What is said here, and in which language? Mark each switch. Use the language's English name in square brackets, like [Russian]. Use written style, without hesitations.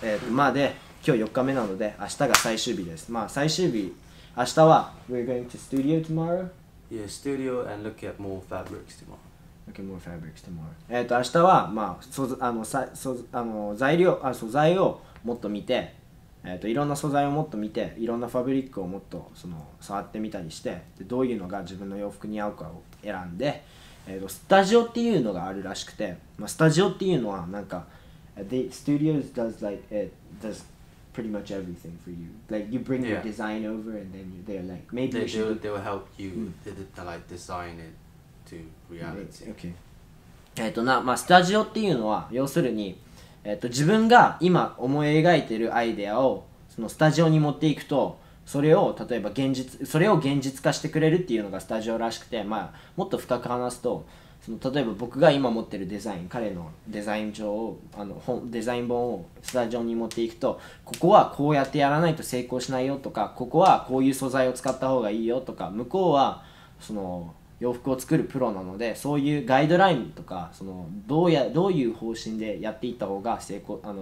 [Japanese] まあで今日4日目なので明日が最終日です。まあ最終日明日は [English] We're going to studio tomorrow? Yeah, studio and look at more fabrics tomorrow. Look at more fabrics tomorrow. [Japanese] 明日は、まあ、素材をもっと見て、いろんな素材をもっと見て、いろんなファブリックをもっとその触ってみたりして、でどういうのが自分の洋服に合うかを選んで、スタジオっていうのがあるらしくて、まあ、スタジオっていうのはなんか [English] The studios does like it does. Pretty much everything for you. Like you bring your design over, and then they're like, maybe they'll help you to like design it to reality. Okay. [Japanese] スタジオっていうのは要するに、自分が今思い描いてるアイデアをそのスタジオに持っていくと、それを例えば現実化してくれるっていうのがスタジオらしくて、まあもっと深く話すと。その例えば僕が今持ってるデザイン、彼のデザイン帳を、デザイン本をスタジオに持っていくと、ここはこうやってやらないと成功しないよとか、ここはこういう素材を使った方がいいよとか、向こうはその洋服を作るプロなので、そういうガイドラインとか、そのどういう方針でやっていった方が成功、